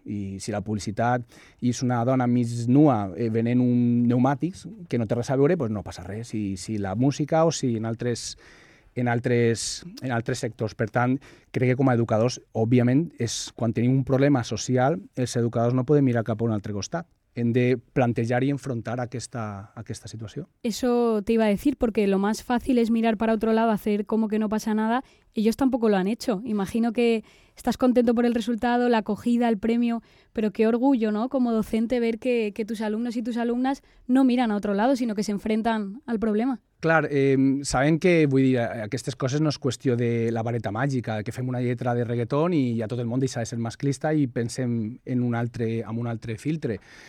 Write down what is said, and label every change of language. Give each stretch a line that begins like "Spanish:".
Catalan: I si la publicitat és una dona mig nua venent un pneumàtics que no té res a veure, doncs no passa res. I si la música o si en altres sectors. Per tant, crec que com a educadors, òbviament, és quan tenim un problema social, els educadors no poden mirar cap a un altre costat. Hem de plantejar i enfrontar aquesta situació.
Spanish: Eso te iba a decir, porque lo más fácil es mirar para otro lado, hacer como que no pasa nada. Ellos tampoco lo han hecho. Imagino que estás contento por el resultado, la acogida, el premio, pero qué orgullo, ¿no? Como docente, ver que tus alumnos y tus alumnas no miran a otro lado, sino que se enfrentan al problema.
Catalan: Clar, sabem que, vull dir, aquestes coses no és qüestió de la vareta màgica, que fem una lletra de reggaeton i ja tot el món deixa de ser masclista i pensem en un altre, amb un altre filtre.